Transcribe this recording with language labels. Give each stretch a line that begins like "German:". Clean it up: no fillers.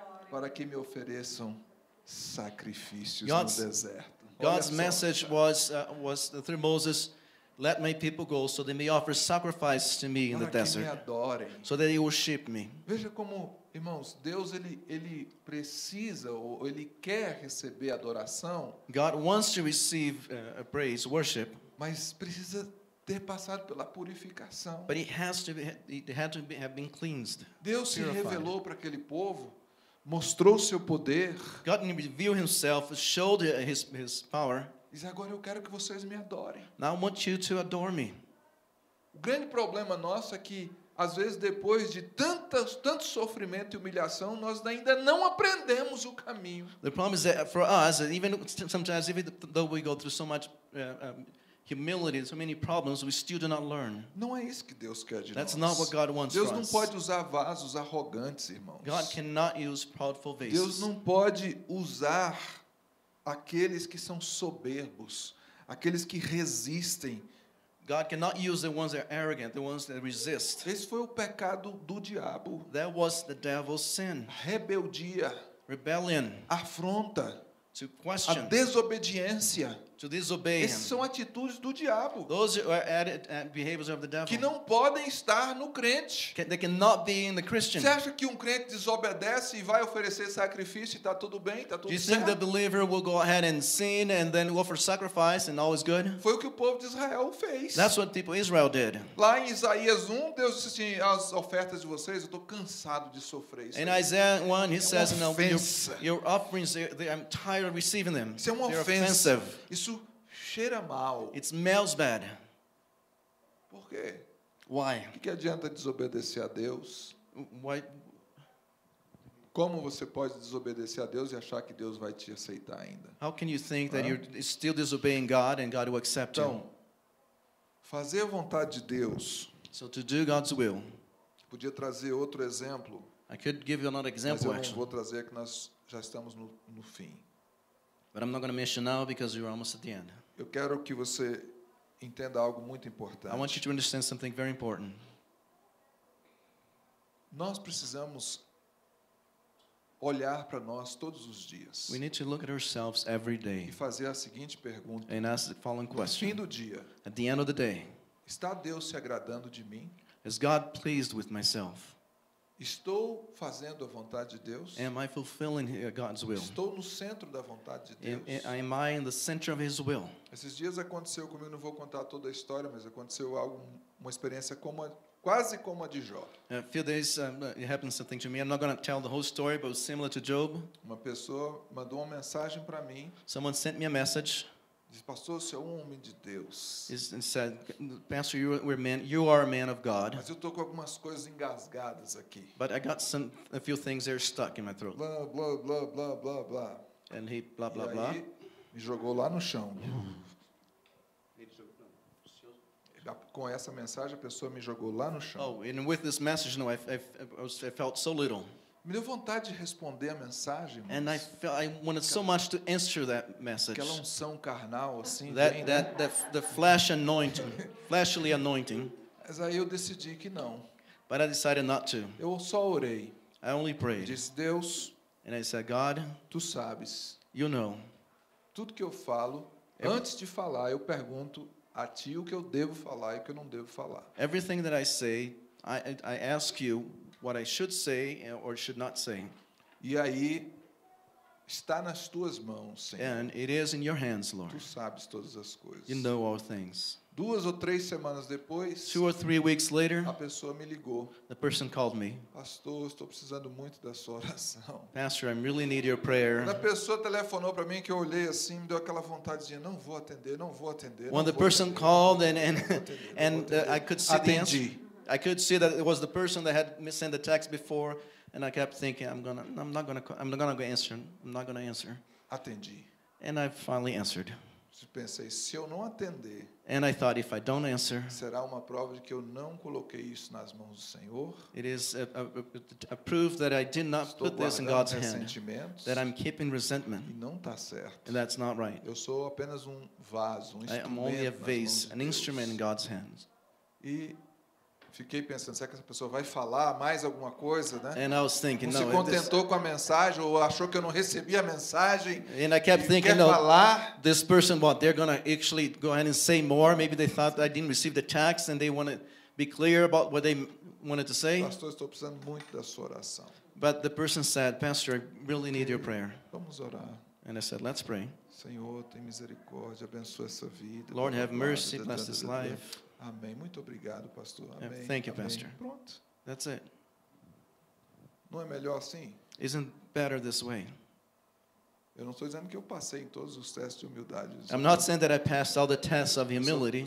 Portuguese: Para que me ofereçam sacrifícios
English: God's,
Portuguese: no deserto. Olha God's só.
English: Message was through Moses, let my people go so they may offer sacrifices to me
Portuguese: para
English: in the desert.
Portuguese: Me adorem.
English: So that they worship me.
Portuguese: Veja como, irmãos, Deus ele precisa ou ele quer receber adoração.
English: God wants to receive praise, worship.
Portuguese: Mas precisa ter passado pela purificação.
English: But it had to have been cleansed.
Portuguese: Deus se
English: purified.
Portuguese: Revelou para aquele povo, mostrou seu poder.
English: God revealed himself, showed his power.
Portuguese: Diz, agora eu quero que vocês me adorem.
English: Now I want you to adore me.
Portuguese: O grande problema nosso é que às vezes depois de tanto sofrimento e humilhação, nós ainda não aprendemos o caminho.
English: The problem is that for us, even sometimes even though we go through so much humility, so many problems, we still do not learn.
Portuguese: Não é isso que Deus quer de
English: That's
Portuguese: nós.
English: Not what God wants
Portuguese: Deus
English: for
Portuguese: não
English: us.
Portuguese: Pode usar vasos arrogantes, irmãos.
English: God cannot use proudful vases.
Portuguese: Deus não pode usar aqueles que são soberbos, aqueles que resistem.
English: God cannot use the ones that are arrogant, the ones that resist.
Portuguese: Esse foi o pecado do diabo.
English: That was the devil's sin.
Portuguese: Rebeldia.
English: Rebellion.
Portuguese: Afronta.
English: To question.
Portuguese: A desobediência.
English: To disobey
Portuguese: Essas são atitudes do diabo.
English: Those are behaviors of the devil.
Portuguese: Que não podem estar no crente.
English: They cannot be in the Christian.
Portuguese: Você acha que um crente desobedece e vai oferecer sacrifício e está tudo bem, está tudo
English: Do you
Portuguese: certo?
English: Think the believer will go ahead and sin and then offer sacrifice and all is good?
Portuguese: Foi o que o povo de Israel fez.
English: That's what people Israel did.
Portuguese: Lá em Isaías 1, Deus disse assim, as ofertas de vocês, eu estou cansado de sofrer isso.
English: In Isaiah 1, he
Portuguese: é
English: says, no, your offerings, I'm tired of receiving them.
Portuguese: Isso é uma
English: They're
Portuguese: ofensa.
English: Offensive.
Portuguese: Isso cheira mal.
English: It smells bad.
Portuguese: Por quê?
English: Why?
Portuguese: O que adianta desobedecer a Deus?
English: Why?
Portuguese: Como você pode desobedecer a Deus e achar que Deus vai te aceitar ainda?
English: How can you think that you're still disobeying God and God will accept
Portuguese: então,
English: you?
Portuguese: Fazer a vontade de Deus.
English: So to do God's will.
Portuguese: Podia trazer outro exemplo.
English: I could give you another example.
Portuguese: Mas eu não vou trazer que nós já estamos no fim.
English: But I'm not going to mention now because we're almost at the end.
Portuguese: Eu quero que você entenda algo muito importante.
English: I want you to understand something very important.
Portuguese: Nós precisamos olhar para nós todos os dias.
English: We need to look at ourselves every day.
Portuguese: E fazer a seguinte pergunta.
English: And ask the following question.
Portuguese: No fim do dia.
English: At the end of the day.
Portuguese: Está Deus se agradando de mim?
English: Is God pleased with myself?
Portuguese: Estou fazendo a vontade de Deus?
English: Am I fulfilling God's will?
Portuguese: Estou no centro da vontade de Deus?
English: Am I in the center of His will?
Portuguese: Esses dias aconteceu comigo, não vou contar toda a história, mas aconteceu algo, uma experiência como quase como a de Jó.
English: A few days it happened something to me. I'm not going to tell the whole story, but it was similar to Job.
Portuguese: Uma pessoa mandou uma mensagem para mim.
English: Someone sent me a message.
Portuguese: Diz, pastor, você é um homem de Deus.
English: He said, pastor, you are a man of God.
Portuguese: Mas eu tô com algumas coisas engasgadas aqui.
English: But I got a few things that are stuck in my throat. Blah, blah, blah, blah, blah, blah. And he, blah, blah, blah.
Portuguese: Me jogou lá no chão. Com essa mensagem, a pessoa me jogou lá no chão.
English: Oh, and with this message, no, I felt so little.
Portuguese: Me deu vontade de responder a mensagem.
English: And I felt I wanted so much to answer that message.
Portuguese: Aquela unção carnal assim.
English: That
Portuguese: bem,
English: that
Portuguese: né?
English: the flesh anointing, fleshly anointing.
Portuguese: Mas aí eu decidi que não.
English: But I decided not to.
Portuguese: Eu só orei.
English: I only prayed.
Portuguese: Disse Deus.
English: And I said God.
Portuguese: Tu sabes.
English: You know.
Portuguese: Tudo que eu falo, antes de falar, eu pergunto a Ti o que eu devo falar e o que eu não devo falar.
English: Everything that I say, I ask You. What I should say or should not say.
Portuguese: E aí Está nas tuas mãos, Senhor.
English: And it is in your hands, Lord.
Portuguese: Tu sabes todas as coisas.
English: You know all things.
Portuguese: Duas ou três semanas depois,
English: two or three weeks later,
Portuguese: a pessoa me ligou.
English: The person called me.
Portuguese: Pastor, estou precisando muito da sua oração.
English: Pastor, I really need your prayer.
Portuguese: Quando a pessoa telefonou para mim, que eu olhei assim, me deu aquela vontade de dizer, não vou atender, não vou atender.
English: When the person called and I could see
Portuguese: atendi.
English: The answer. I could see that it was the person that had sent the text before. And I kept thinking, I'm not gonna answer.
Portuguese: Atendi.
English: And I finally answered.
Portuguese: Pensei, se eu não atender,
English: and I thought, if I don't answer,
Portuguese: será uma prova de que eu não coloquei isso nas mãos do Senhor.
English: It is a proof that I did not put this in God's hand. That I'm keeping resentment.
Portuguese: E não tá certo.
English: And that's not right.
Portuguese: Eu sou apenas um vaso, um instrumento.
English: I am only a vase, an instrument in God's hands.
Portuguese: E fiquei pensando, será que essa pessoa vai falar mais alguma coisa, né?
English: And I was thinking,
Portuguese: não se contentou com a mensagem ou achou que eu não recebi a mensagem?
English: And I kept thinking,
Portuguese: quer falar?
English: This person, what, they're gonna actually go ahead and say more. Maybe they thought I didn't receive the text and they want to be clear about what they wanted to say.
Portuguese: Pastor, estou precisando muito da sua oração.
English: But the person said, Pastor, I really need your prayer.
Portuguese: Vamos orar.
English: And I said, let's pray.
Portuguese: Senhor, tem misericórdia, abençoe essa vida.
English: Lord, have mercy, bless this life.
Portuguese: Amém. Muito obrigado, pastor. Amém.
English: Thank you,
Portuguese: amém.
English: Pastor.
Portuguese: Pronto.
English: That's it.
Portuguese: Não é melhor assim?
English: Isn't better this way?
Portuguese: Eu não estou dizendo que eu passei em todos os testes de humildade.
English: I'm not saying that I passed all the tests of humility.